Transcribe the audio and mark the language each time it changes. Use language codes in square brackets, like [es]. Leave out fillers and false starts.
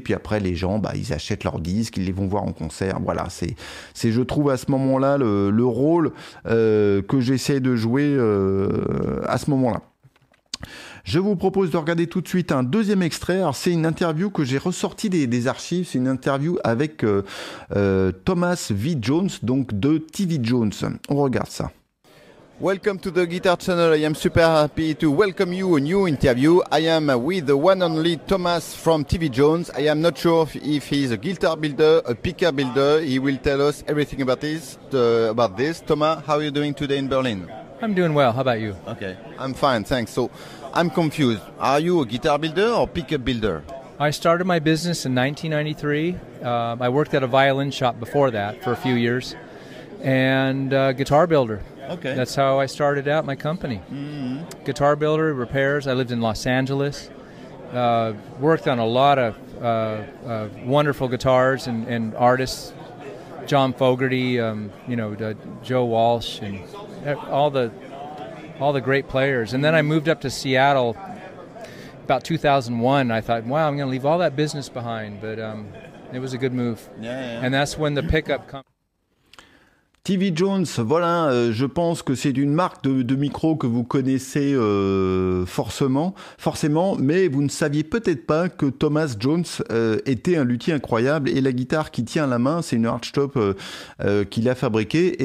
[fr] Puis après, les gens, bah, ils achètent leurs disques, ils les vont voir en concert. Voilà, c'est je trouve à ce moment-là le rôle que j'essaie de jouer à ce moment-là. Je vous propose de regarder tout de suite un deuxième extrait. Alors, c'est une interview que j'ai ressortie des archives. C'est une interview avec Thomas V. Jones, donc de TV Jones. On regarde ça. [en] Welcome to the Guitar Channel. I am super happy to welcome you a new interview. I am with the one only Thomas from TV Jones. I am not sure if he's a guitar builder, a picker builder. He will tell us everything about this. Thomas, how are you doing today in Berlin? I'm doing well. How about you? Okay. I'm fine. Thanks. So, I'm confused. Are you a guitar builder or pickup builder? I started my business in 1993. I worked at a violin shop before that for a few years. And guitar builder. Okay. That's how I started out my company. Mm-hmm. Guitar builder, repairs. I lived in Los Angeles. Worked on a lot of wonderful guitars and artists. John Fogerty, Joe Walsh, and all the great players. And then I moved up to Seattle about 2001. I thought, wow, I'm going to leave all that business behind. But it was a good move. Yeah, yeah. And that's when the pickup comes. [fr] TV Jones, voilà, je pense que c'est une marque de micro que vous connaissez forcément, mais vous ne saviez peut-être pas que Thomas Jones était un luthier incroyable, et la guitare qui tient à la main, c'est une Archtop qu'il a fabriquée.